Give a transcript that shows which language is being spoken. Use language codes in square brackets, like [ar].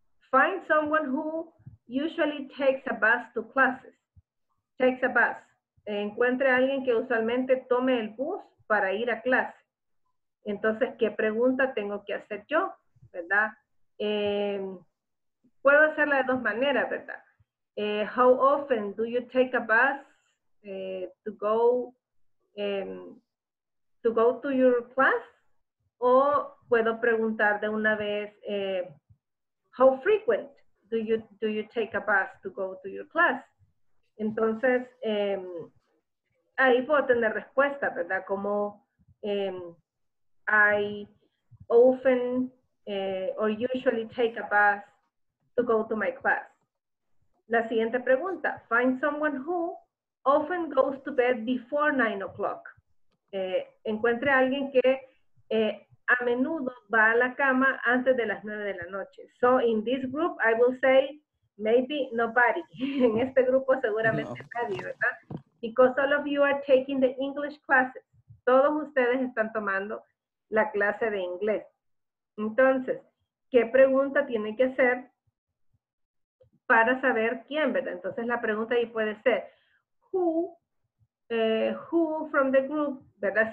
[en] Find someone who usually takes a bus to classes. Takes a bus. [es] Encuentre a alguien que usualmente tome el bus para ir a clase. Entonces, ¿qué pregunta tengo que hacer yo? ¿Verdad? Puedo hacerla de dos maneras, ¿verdad? [en] How often do you take a bus to go to your class? [es] O puedo preguntar de una vez, [en] how frequent do you take a bus to go to your class? [es] Entonces, ahí puedo tener respuesta, ¿verdad? Como, [en] I often or usually take a bus to go to my class. [es] La siguiente pregunta, [en] find someone who often goes to bed before 9 o'clock. [es] Encuentre a alguien que a menudo va a la cama antes de las 9 de la noche. [en] So in this group I will say maybe nobody. [es] En este grupo seguramente no. Nadie, ¿verdad? [en] Because all of you are taking the English classes. [es] Todos ustedes están tomando la clase de inglés. Entonces, ¿qué pregunta tiene que hacer para saber quién, verdad? Entonces la pregunta ahí puede ser [en] who from the group, [es] ¿verdad?